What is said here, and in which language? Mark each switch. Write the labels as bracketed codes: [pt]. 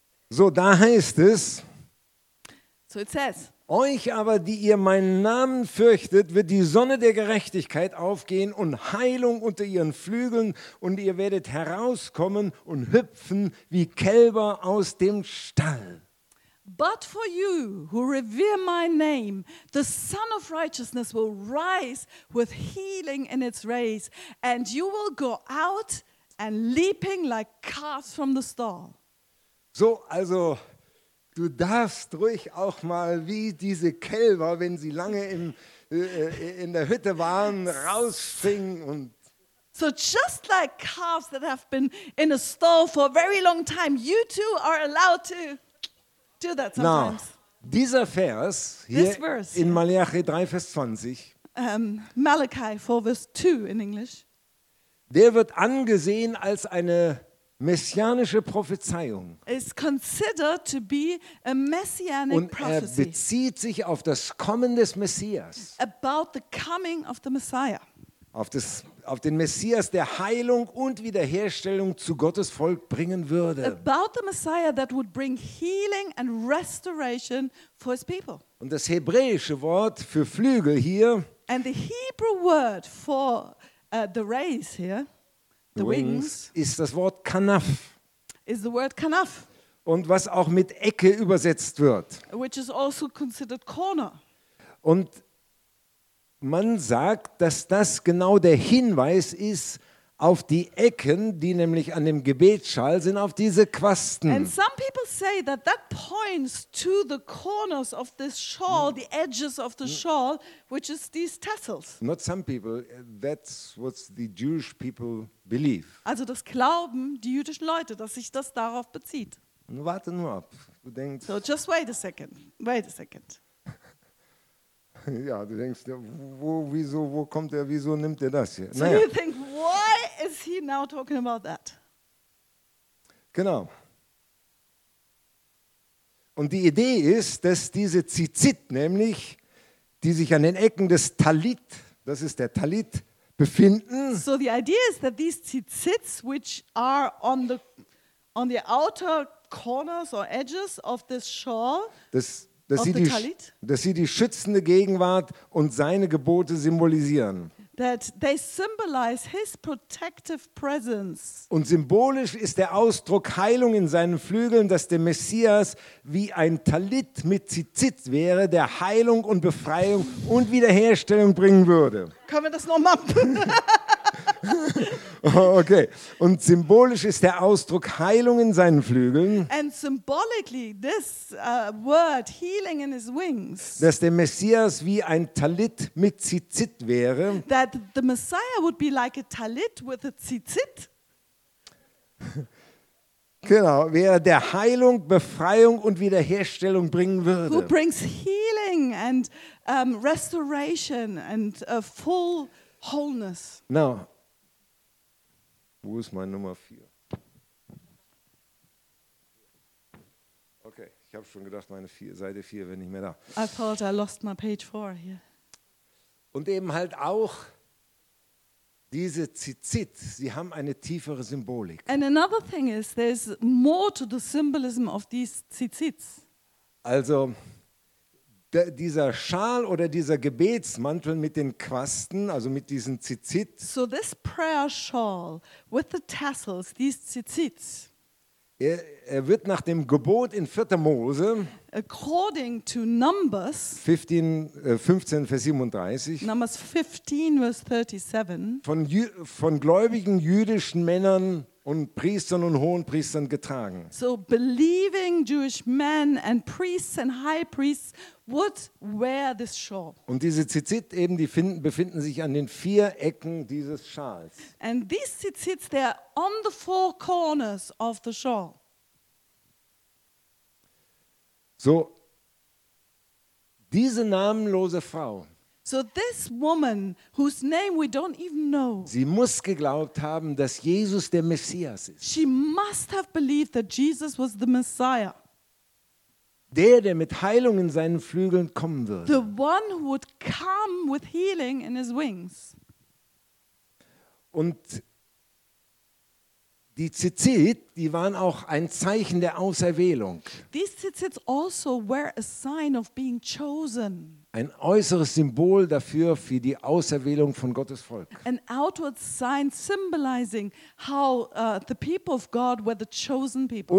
[de] So, da heißt es. [en] So it says. [de] Euch aber, die ihr meinen Namen fürchtet, wird die Sonne der Gerechtigkeit aufgehen und Heilung unter ihren Flügeln und ihr werdet herauskommen und hüpfen wie Kälber aus dem Stall. [en] But for you who revere my name, the Sun of Righteousness will rise with healing in its rays and you will go out and leaping like calves from the stall. [de] So, also... Du darfst ruhig auch mal wie diese Kälber, wenn sie lange in der Hütte waren, rausspringen und. [en] So just like calves that have been in a stall for a very long time, you too are allowed to do that sometimes. [de] Now, dieser Vers hier in Malachi 3, Vers 20. [en] Malachi 4, Vers 2 in English. [de] Der wird angesehen als eine messianische Prophezeiung. [en] Is considered to be a messianic [de] und er [en] prophecy. [de] Bezieht sich auf das Kommen des Messias. [en] About the coming of the Messiah. [de] Auf den Messias, der Heilung und Wiederherstellung zu Gottes Volk bringen würde. [en] About the Messiah that would bring healing and restoration for his people. [de] Und das hebräische Wort für Flügel hier. [en] And the Hebrew word for the rays here. The wings [de] ist das Wort Kanaf. [en] Is the word Kanaf. [de] Und was auch mit Ecke übersetzt wird. [en] Which is also considered corner. [de] Und man sagt, dass das genau der Hinweis ist auf die Ecken, die nämlich an dem Gebetsschal sind, auf diese Quasten. [en] And some people say that that points to the corners of this shawl, the edges of the shawl, which is these tassels. Not some people, that's what the Jewish people believe. [de] Also das glauben die jüdischen Leute, dass sich das darauf bezieht. Und warte nur ab. Du denkst, [en] so just wait a second. Wait a second. [de] Ja, du denkst, wo, wieso, wo kommt er, wieso nimmt er das hier? So naja. [en] You think, why is he now talking about that? [de] Genau. Und die Idee ist, dass diese Zitzit nämlich, die sich an den Ecken des Talit, das ist der Talit, befinden. [en] So the idea is that these Zitzits, which are on the outer corners or edges of this shawl, [de] das dass sie die Talit, dass sie die schützende Gegenwart und seine Gebote symbolisieren. [en] That they symbolize his protective presence. [de] Und symbolisch ist der Ausdruck Heilung in seinen Flügeln, dass der Messias wie ein Talit mit Zizit wäre, der Heilung und Befreiung und Wiederherstellung bringen würde. Können wir das nochmal? Okay. Und symbolisch ist der Ausdruck Heilung in seinen Flügeln. [en] And symbolically, this word healing in his wings. [de] Dass der Messias wie ein Talit mit Zizit wäre. [en] That the Messiah would be like a Talit with a Zizit. [de] Genau, wer der Heilung, Befreiung und Wiederherstellung bringen würde. [en] Who brings healing and restoration and a full wholeness. [de] Now, wo ist mein Nummer 4? Okay, ich habe schon gedacht, meine Seite 4 wäre nicht mehr da. [en] I thought I lost my page 4 here. [de] Und eben halt auch diese Zizit, sie haben eine tiefere Symbolik. [en] And another thing is, there's more to the symbolism of these Zizits. [de] Also, dieser Schal oder dieser Gebetsmantel mit den Quasten, also mit diesen Zizit. [en] So this prayer shawl with the tassels, these Zizits. [de] Er wird nach dem Gebot in 4. Mose. [en] According to Numbers. [de] 15, Vers 37. [en] Numbers 15, Vers 37. [de] Von gläubigen jüdischen Männern und Priestern und Hohenpriestern getragen. [en] So believing Jewish men and priests and high priests would wear this shawl. [de] Und diese Zizit eben, die befinden sich an den 4 Ecken dieses Schals. [en] And these Zizits, they're on the 4 corners of the shawl. [de] So, diese namenlose Frau. [en] So this woman, whose name we don't even know. [de] Sie muss geglaubt haben, dass Jesus der Messias ist. [en] She must have believed that Jesus was the Messiah. [de] Der mit Heilung in seinen Flügeln kommen würde. [en] The one who would come with healing in his wings. [de] Und die Zizit, die waren auch ein Zeichen der Auserwählung. [en] These tzitzits also were a sign of being chosen. [de] Ein äußeres Symbol dafür für die Auserwählung von Gottes Volk. [en] An outward sign symbolizing how the people of God were the chosen people.